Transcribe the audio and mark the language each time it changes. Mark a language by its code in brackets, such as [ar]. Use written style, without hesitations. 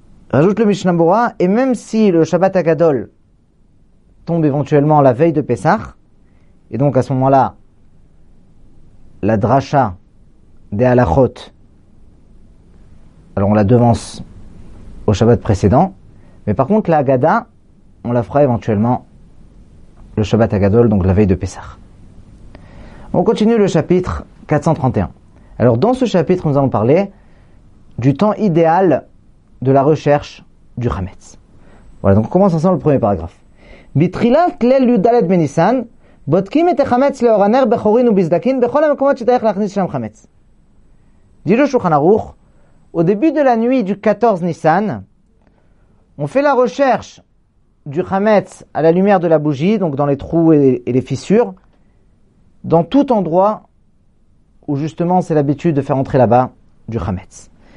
[fr] Rajoute le Mishnah Berurah, et même si le Shabbat haGadol tombe éventuellement la veille de Pessah, et donc à ce moment-là, la dracha des halachot, alors on la devance au Shabbat précédent, mais par contre la Haggadah, on la fera éventuellement le Shabbat haGadol, donc la veille de Pessah. On continue le chapitre 431. Alors dans ce chapitre, nous allons parler du temps idéal de la recherche du Hametz. Voilà, donc on commence ensemble le premier paragraphe. [he] Bitrilat lel yudalet benissan. בודקים את החמץ לאור הנר בחורין ובזדקין בכל המקומות שצריך להכניס שם חמץ. [fr] דילו שולחן ערוך, au début de la nuit du 14 Nissan, on fait la recherche du Hametz à la lumière de la bougie, donc dans les trous et les fissures, dans tout endroit où justement c'est l'habitude de faire entrer là-bas du Hametz.